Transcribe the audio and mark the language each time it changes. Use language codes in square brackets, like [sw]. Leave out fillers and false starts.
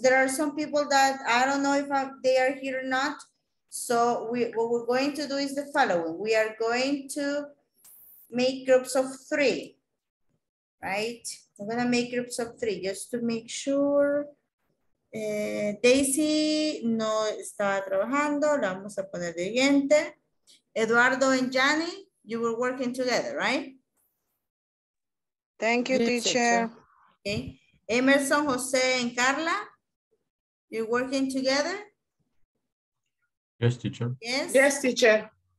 [en] There are some people that I don't know if they are here or not. So what we're going to do is the following. We are going to make groups of three, right? I'm gonna make groups of three just to make sure. [es] Daisy no está trabajando, la vamos a poner de oyente. [en] Eduardo and Gianni, you were working together, right? Thank you, teacher. Okay. Emerson, Jose and Carla, you're working together? Yes, teacher. Yes? Yes, teacher.